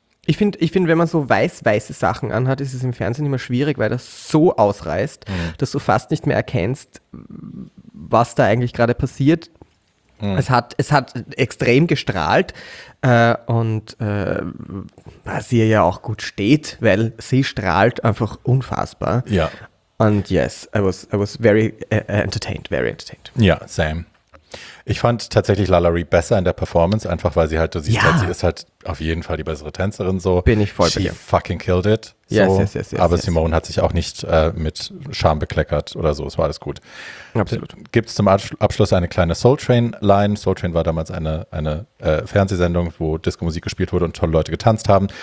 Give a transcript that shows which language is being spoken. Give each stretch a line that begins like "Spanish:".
German: Ich find, wenn man so weiß-weiße Sachen anhat, ist es im Fernsehen immer schwierig, weil das so ausreißt, dass du fast nicht mehr erkennst, was da eigentlich gerade passiert. Mhm. Es hat extrem gestrahlt und was ihr ja auch gut steht, weil sie strahlt einfach unfassbar. Ja.
English: Und yes, I was very entertained, very entertained.
German: Ja, same. Ich fand tatsächlich LaLaurie besser in der Performance, einfach weil sie halt, du siehst halt, sie ist halt auf jeden Fall die bessere Tänzerin so. Bin ich voll bei dir.
English: She fucking killed it. So. Yes.
German: Aber
English: yes.
German: Simone hat sich auch nicht mit Scham bekleckert oder so, es war alles gut. Absolut. Gibt es zum Abschluss eine kleine Soul Train Line. Soul Train war damals eine Fernsehsendung, wo Disco-Musik gespielt wurde und tolle Leute getanzt haben.